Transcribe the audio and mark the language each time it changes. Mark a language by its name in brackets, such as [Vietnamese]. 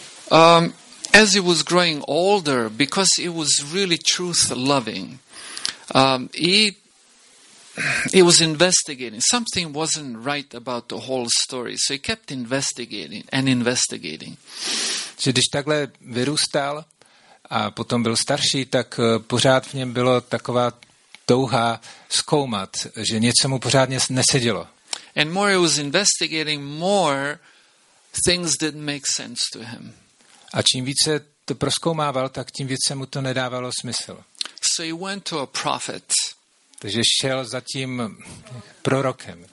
[English] As he was growing older, because he was really truth loving, he was investigating. Something wasn't right about the whole story, so he kept investigating and investigating. [Czech] Že když takhle vyrůstal a potom byl starší, tak pořád v něm bylo taková touha zkoumat, že něco mu pořád nesedělo. [English] And more he was investigating, more things didn't make sense to him. [Czech] A čím více to prozkoumával, tak tím více mu to nedávalo smysl. [English] So he went to a prophet. [Czech] Takže šel za tím prorokem.